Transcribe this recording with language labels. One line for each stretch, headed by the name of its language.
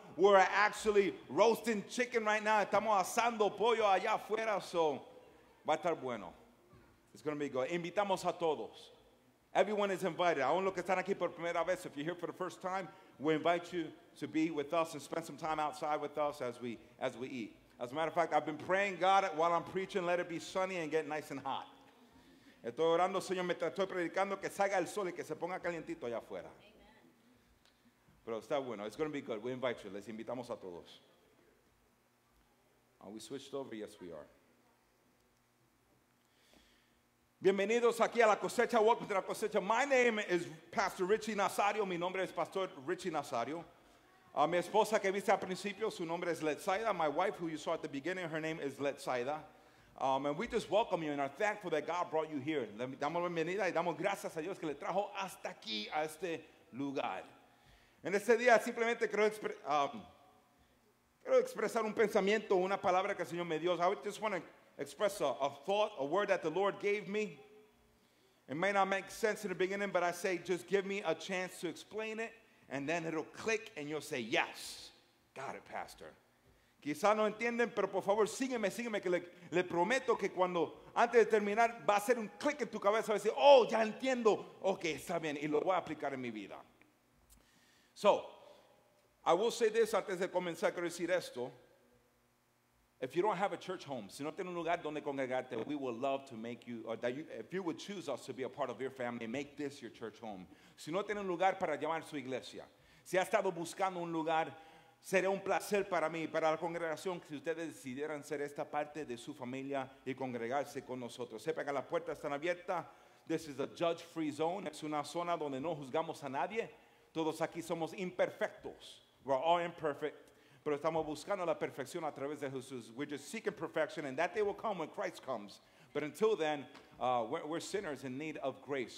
English: We're actually roasting chicken right now.
Spanish: Estamos asando pollo allá afuera,
English: so
Spanish: va a estar bueno.
English: It's going to be good.
Spanish: Invitamos a todos.
English: Everyone is invited.
Spanish: Aún los que están aquí por primera vez,
English: if you're here for the first time, we invite you to be with us and spend some time outside with us as we eat. As a matter of fact, I've been praying, God, while I'm preaching, let it be sunny and get nice and hot.
Spanish: Estoy orando, Señor, mientras estoy predicando, que salga el sol y que se ponga calientito allá afuera. Pero está bueno.
English: It's going to be good. We invite you.
Spanish: Les invitamos a todos.
English: Are we switched over? Yes, we are.
Spanish: Bienvenidos aquí a La Cosecha.
English: Welcome to La Cosecha. My name is Pastor Richie Nazario.
Spanish: Mi nombre es Pastor Richie Nazario. Mi esposa que viste al principio, su nombre es Letzaida.
English: My wife, who you saw at the beginning, her name is Letzaida. And we just welcome you and are thankful that God brought you here.
Spanish: Le damos bienvenida y damos gracias a Dios que le trajo hasta aquí, a este lugar. En este día simplemente quiero expresar un pensamiento, una palabra que el Señor me dio.
English: I just want to express a thought, a word that the Lord gave me. It may not make sense in the beginning, but I say, just give me a chance to explain it, and then it'll click, and you'll say, yes, got it, Pastor.
Spanish: Quizá no entienden, pero por favor, sígueme, sígueme, que le prometo que cuando, antes de terminar, va a hacer un click en tu cabeza, va a decir, oh, ya entiendo. Okay, está bien, y lo voy a aplicar en mi vida.
English: So, I will say this,
Spanish: antes de comenzar, quiero decir esto.
English: If you don't have a church home, si no tiene un lugar donde congregarte, we would love to make you, or that you, if you would choose us to be a part of your family, make this your church home.
Spanish: Si no tiene un lugar para llamar su iglesia, si ha estado buscando un lugar, sería un placer para mí, para la congregación, si ustedes decidieran ser esta parte de su familia y congregarse con nosotros. Sepa que las puertas están abiertas.
English: This is a judge-free zone.
Spanish: Es una zona donde no juzgamos a nadie. Todos aquí somos imperfectos.
English: We're all imperfect.
Spanish: Pero estamos buscando la perfección a través de Jesús.
English: We're just seeking perfection, and that day will come when Christ comes. But until then, we're sinners in need of grace.